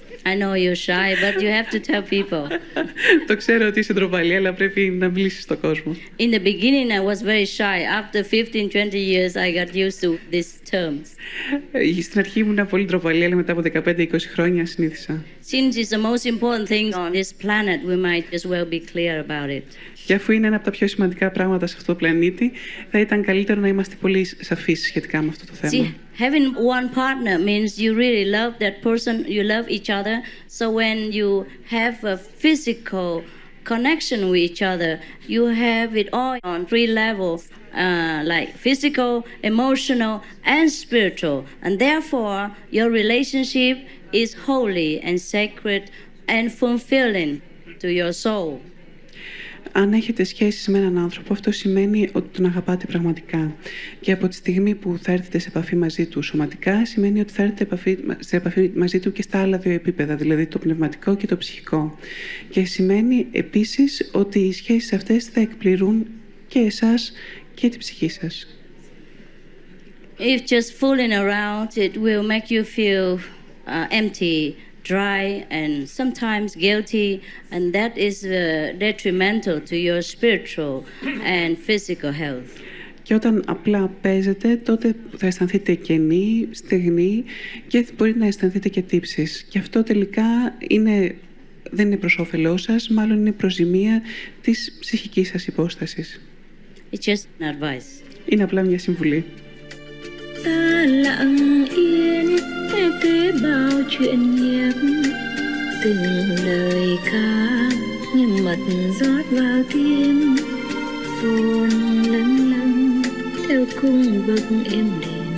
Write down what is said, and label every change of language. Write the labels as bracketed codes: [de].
[en] I know you're shy, but you have to tell people. [el] Το ξέρω ότι είσαι ντροπαλή, αλλά πρέπει να μιλήσεις στον κόσμο. [en] In the beginning, I was very shy. After 15-20 years, I got used to these terms. [el] Στην αρχή ήμουν πολύ ντροπαλή, αλλά μετά από 15-20 χρόνια συνήθισα. [en] Since it's the most important thing on this planet, we might as well be clear about it. [el] Και αφού είναι ένα από τα πιο σημαντικά πράγματα σε αυτό το πλανήτη, θα ήταν καλύτερο να είμαστε πολύ σαφείς σχετικά με αυτό το θέμα. [en] See, having one partner means you really love that person, you love each other. So when you have a physical connection with each other, you have it all on three levels, like physical, emotional, and spiritual. And therefore, your relationship is holy and sacred and fulfilling to your soul. [el] Αν έχετε σχέσεις με έναν άνθρωπο, αυτό σημαίνει ότι τον αγαπάτε πραγματικά. Και από τη στιγμή που θα έρθετε σε επαφή μαζί του σωματικά, σημαίνει ότι θα έρθετε σε επαφή μαζί του και στα άλλα δύο επίπεδα, δηλαδή το πνευματικό και το ψυχικό. Και σημαίνει επίσης ότι οι σχέσεις αυτές θα εκπληρούν και εσάς και την ψυχή σας. [en] If just fooling around, it will make you feel empty, dry and sometimes guilty, and that is detrimental to your spiritual and physical health. [el] Και όταν απλά παίζετε, τότε θα αισθανθείτε κενή, στεγνή και μπορεί να αισθανθείτε και τύψεις. Και αυτό τελικά δεν είναι προς όφελό σας, μάλλον είναι προς ζημία της ψυχικής σας υπόστασης. [en] It's just an advice. [el] Είναι απλά μια συμβουλή. [vi] Ta lặng yên nghe kể bao chuyện nhạc từng lời ca như mật rót vào tim, tôn lâng lâng theo cung bậc êm đềm.